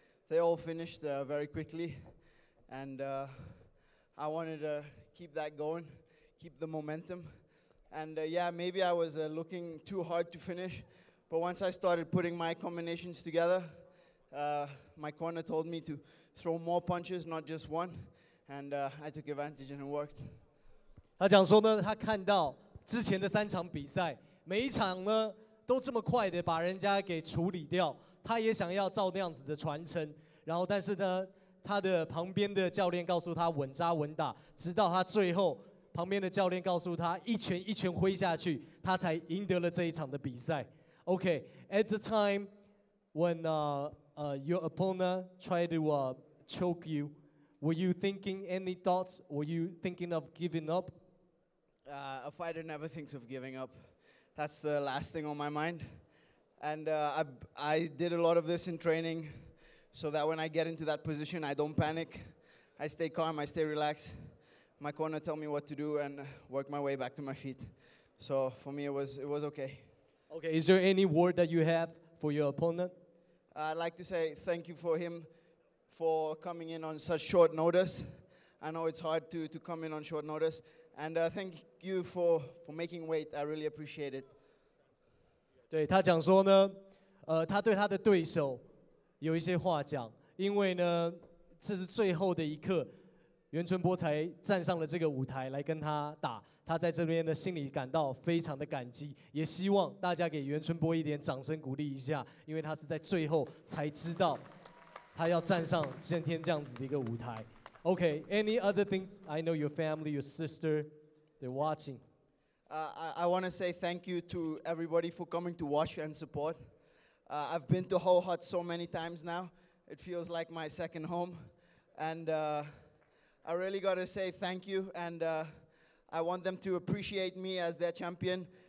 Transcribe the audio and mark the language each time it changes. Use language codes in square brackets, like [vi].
[en] They all finished very quickly, and I wanted to keep that going, keep the momentum. And yeah, maybe I was looking too hard to finish, but once I started putting my combinations together, my corner told me to throw more punches, not just one, and I took advantage and it worked. [zh] 他讲说呢，他看到之前的三场比赛，每一场呢都这么快的把人家给处理掉。他也想要照那样子的传承，然后但是呢，他的旁边的教练告诉他稳扎稳打，直到他最后，旁边的教练告诉他一拳一拳挥下去，他才赢得了这一场的比赛。 [en] Okay, at the time when your opponent tried to choke you, were you thinking any thoughts? Were you thinking of giving up? A fighter never thinks of giving up. That's the last thing on my mind. And I did a lot of this in training, so that when I get into that position, I don't panic. I stay calm, I stay relaxed. My corner tell me what to do and work my way back to my feet. So for me, it was okay. Okay, is there any word that you have for your opponent? I'd like to say thank you for him for coming in on such short notice. I know it's hard to come in on short notice. And thank you for making weight. I really appreciate it. [zh] 对他讲说呢，他对他的对手有一些话讲，因为呢，这是最后的一刻，袁春波才站上了这个舞台来跟他打，他在这边的心里感到非常的感激，也希望大家给袁春波一点掌声鼓励一下，因为他是在最后才知道他要站上今天这样子的一个舞台。 [en] Okay, any other things? I know your family, your sister, they're watching. I want to say thank you to everybody for coming to watch and support. I've been to Ho Hut so many times now. It feels like my second home. And I really got to say thank you. And I want them to appreciate me as their champion.